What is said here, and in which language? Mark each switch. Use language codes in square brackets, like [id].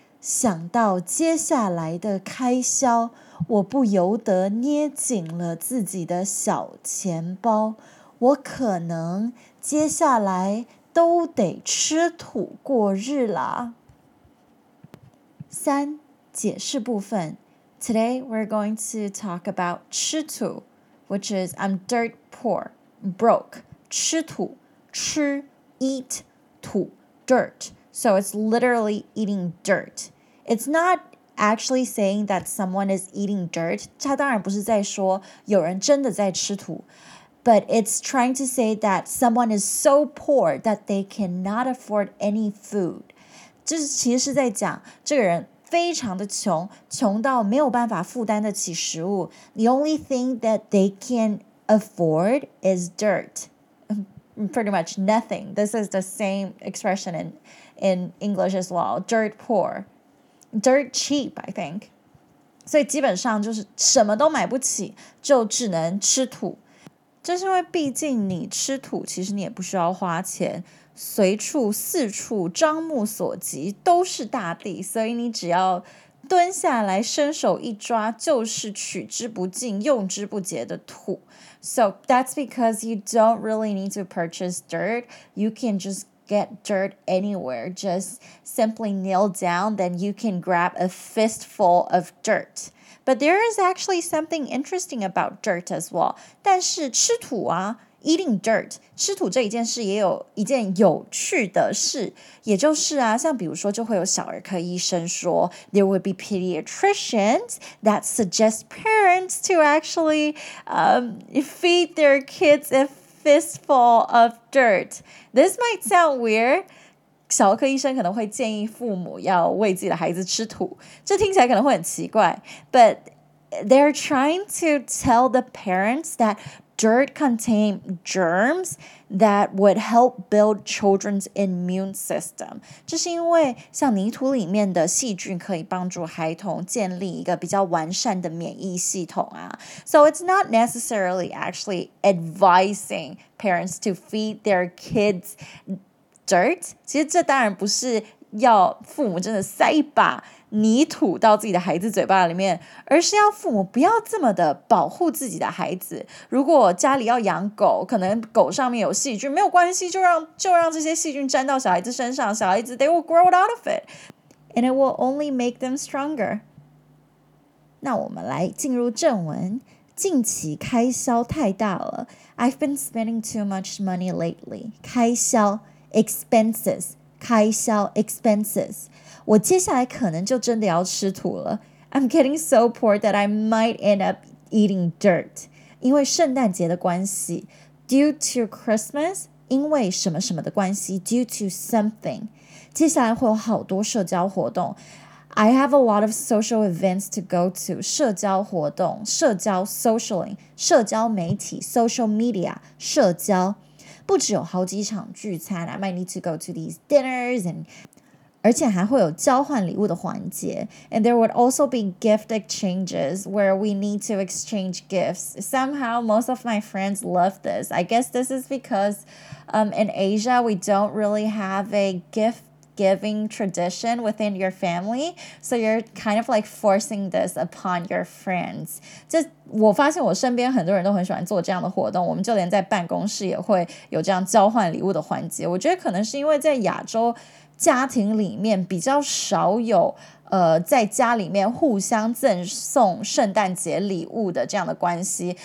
[zh] 想到接下来的开销，我不由得捏紧了自己的小钱包。我可能接下来都得吃土过日啦。三，解释部分。 [en] Today, we're going to talk about 吃土, which is I'm dirt poor, broke. [zh] 吃土, 吃, eat, 土, dirt. [en] So it's literally eating dirt. It's not actually saying that someone is eating dirt. [zh] 它当然不是在说有人真的在吃土, [en] but it's trying to say that someone is so poor that they cannot afford any food. [zh] 就是其实是在讲这个人非常的穷，穷到没有办法负担得起食物。 [en] The only thing that they can afford is dirt. Pretty much nothing. This is the same expression in English as well. Dirt poor. Dirt cheap, I think. [zh] 所以基本上就是什么都买不起，就只能吃土。就是因为毕竟你吃土，其实你也不需要花钱。随处四处张目所及都是大地，所以你只要蹲下来伸手一抓，就是取之不尽用之不竭的土。 [en] So that's because you don't really need to purchase dirt. You can just get dirt anywhere. Just simply kneel down, then you can grab a fistful of dirt. But there is actually something interesting about dirt as well. [zh] 但是吃土啊， [en] Eating dirt, [zh] 吃土这一件事也有一件有趣的事，也就是啊，像比如说就会有小儿科医生说 [en] There would be pediatricians that suggest parents to actually feed their kids a fistful of dirt. This might sound weird. [zh] 小儿科医生可能会建议父母要喂自己的孩子吃土，这听起来可能会很奇怪， [en] but they're trying to tell the parents thatDirt contains germs that would help build children's immune system. [zh] 这是因为像泥土里面的细菌可以帮助孩童建立一个比较完善的免疫系统啊。 [en] So it's not necessarily actually advising parents to feed their kids dirt. [zh] 其实这当然不是要父母真的塞一把泥土到自己的孩子嘴巴里面，而是要父母不要这么的保护自己的孩子。如果家里要养狗，可能狗上面有细菌，没有关系，就让这些细菌沾到小孩子身上，小孩子 [en] they will grow out of it. And it will only make them stronger. [zh] 那我们来进入正文。近期开销太大了。 [en] I've been spending too much money lately. [zh] 开销 expenses. 开销 expenses. 我接下来可能就真的要吃土了。 [en] I'm getting so poor that I might end up eating dirt. [zh] 因为圣诞节的关系 [en] Due to Christmas, [zh] 因为什么什么的关系 [en] Due to something. [zh] 接下来会有好多社交活动。 [en] I have a lot of social events to go to. [zh] 社交活动， [en] 社交 socialing, 社交媒体 social media, 社交。 [zh] 不只有好几场聚餐 [en] I might need to go to these dinners and [zh] 而且还会有交换礼物的环节 [en] And there would also be gift exchanges where we need to exchange gifts. Somehow, most of my friends love this. I guess this is because in Asia, we don't really have a gift-giving tradition within your family. So you're kind of like forcing this upon your friends. [zh] 这我发现我身边很多人都很喜欢做这样的活动，我们就连在办公室也会有这样交换礼物的环节。我觉得可能是因为在亚洲家庭里面比较少有在家里面互相赠送圣诞节礼物的这样的关系。